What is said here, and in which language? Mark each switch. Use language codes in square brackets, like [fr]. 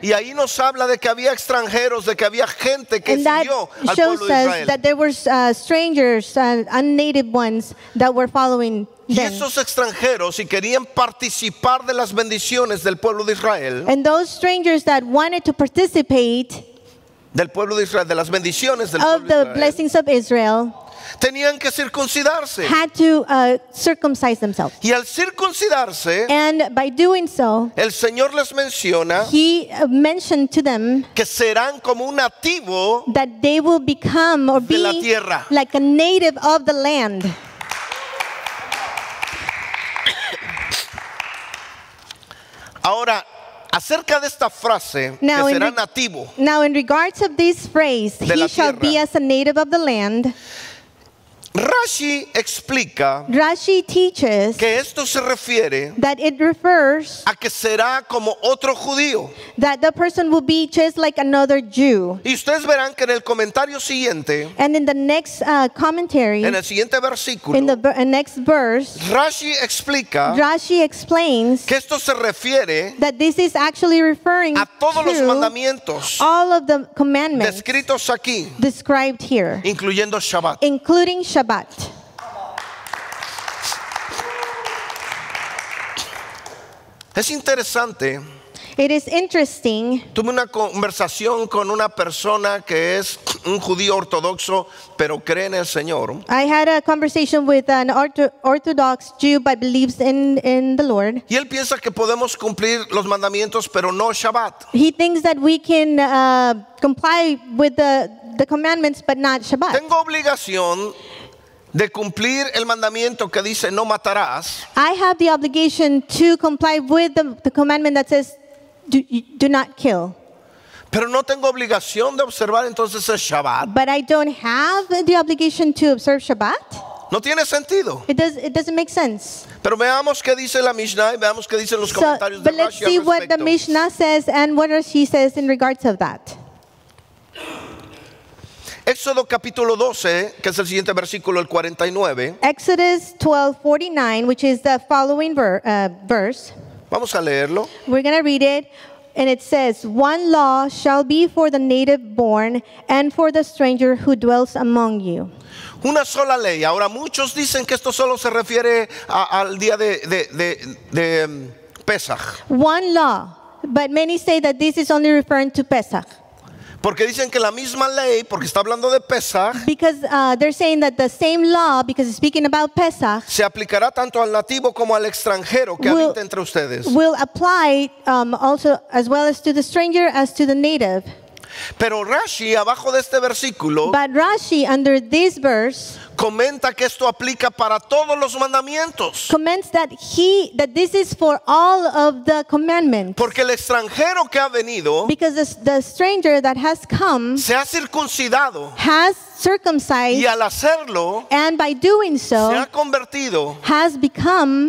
[es] y ahí nos habla de que había extranjeros, de que había gente que siguió al pueblo de Israel. [en] And that shows us that there were strangers, unnative ones that were following them. [es] Y esos extranjeros y querían participar de las bendiciones del pueblo de Israel. [en] And those strangers that wanted to participate [es] del pueblo de Israel, de las bendiciones del pueblo [en] of the blessings of Israel. [es] Tenían que circuncidarse. [en] Had to circumcise themselves. [es] Y al circuncidarse, [en] and by doing so, [es] el Señor les menciona, [en] he mentioned to them, [es] que serán como un nativo, [en] that they will become or be [es] de la tierra, [en] like a native of the land. [es] Ahora, acerca de esta frase, [en] now, [es] que será nativo, [en] now in regards of this phrase, [es] de [en] he shall [es] tierra, [en] be as a native of the land. [es] Rashi explica [en] Rashi teaches [es] que esto se refiere [en] that it refers [es] a que será como otro judío. [en] That the person will be just like another Jew. [es] Y ustedes verán que en el comentario siguiente [en] and in the next commentary [es] en el siguiente versículo [en] in the next verse [es] Rashi explica [en] Rashi explains [es] que esto se refiere [en] that this is actually referring [es] a todos [en] to [es] los mandamientos [en] all of the commandments [es] descritos aquí [en] described here [es] incluyendo Shabbat. [en] Including Shabbat. [es] Es interesante. [en] It is interesting. [es] Tuve una conversación con una persona que es un judío ortodoxo, pero cree en el Señor. [en] I had a conversation with an orthodox Jew but believes in the Lord. [es] Y él piensa que podemos cumplir los mandamientos, pero no Shabbat. [en] He thinks that we can comply with the commandments but not Shabbat. [es] Tengo obligación de cumplir el mandamiento que dice no matarás. [en] I have the obligation to comply with the commandment that says do not kill. [es] Pero no tengo obligación de observar entonces el Shabbat. [en] But I don't have the obligation to observe Shabbat. [es] No tiene sentido. [en] It doesn't make sense. [es] Pero veamos qué dice la Mishnah y veamos qué dicen los comentarios de Rashi al respecto. [en] But let's see what the Mishnah says and what Rashi says in regards of that. [es] Éxodo capítulo 12, que es el siguiente versículo, el 49. [en] Exodus 12:49, which is the following verse. [es] Vamos a leerlo. [en] We're going to read it. And it says, one law shall be for the native born and for the stranger who dwells among you. [es] Una sola ley. Ahora muchos dicen que esto solo se refiere al día de Pesach. [en] One law. But many say that this is only referring to Pesach. [es] Porque dicen que la misma ley, porque está hablando de Pesach. [en] Because they're saying that the same law, because it's speaking about Pesach. [es] Se aplicará tanto al nativo como al extranjero que habita entre ustedes. [en] Will apply also as well as to the stranger as to the native. [es] Pero Rashi, abajo de este versículo. [en] But Rashi, under this verse. [es] Comenta que esto aplica para todos los mandamientos. [en] Comments that this is for all of the commandments. [es] Porque el extranjero que ha venido. [en] Because the stranger that has come. [es] Se ha circuncidado. [en] Has circumcised. [es] Y al hacerlo. [en] And by doing so. [es] Se ha convertido. [en] Has become.